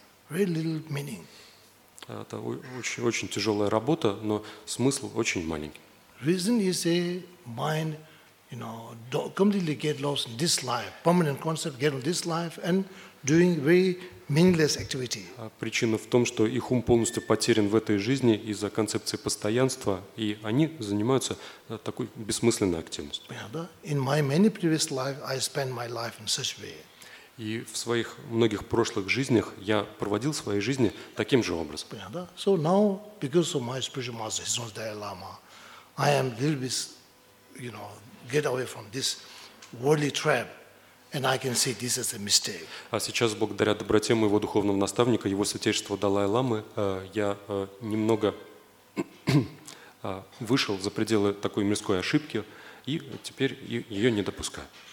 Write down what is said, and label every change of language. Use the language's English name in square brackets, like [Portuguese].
[Russian] Это очень, очень тяжелая работа, но смысл очень маленький. [English] Reason is a mind, you know, completely get lost in this life, permanent concept, get lost in this life and doing very meaningless activity. [Russian] Причина в том, что их ум полностью потерян в этой жизни из-за концепции постоянства, и они занимаются такой бессмысленной активностью. [English] In my many previous life, I spent my life in such way. [Russian] И в своих многих прошлых жизнях я проводил свои жизни таким же образом. Понятно? [English] So now, because of my spiritual master, his name is Dalai Lama, I am a little bit, you know, get away from this worldly trap, and I can see this as a mistake. [Russian] А сейчас, благодаря доброте моего духовного наставника, его святейшества Далай Ламы, я немного вышел за пределы такой мирской ошибки, и теперь ее не допускаю.